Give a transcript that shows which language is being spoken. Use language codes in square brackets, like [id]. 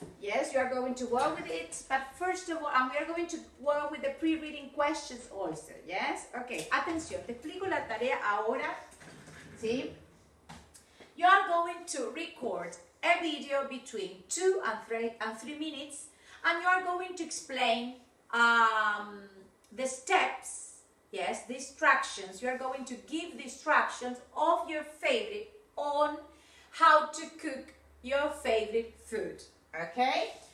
[en] Yes, you are going to work with it. But first of all, and we are going to work with the pre-reading questions also. [es] Yes, okay, atención, te explico la tarea ahora, ¿sí? [en] You are going to record a video between 2 and 3 minutes, and you are going to explain the steps, yes, the instructions. You are going to give the instructions of your favorite on how to cook your favorite food, okay?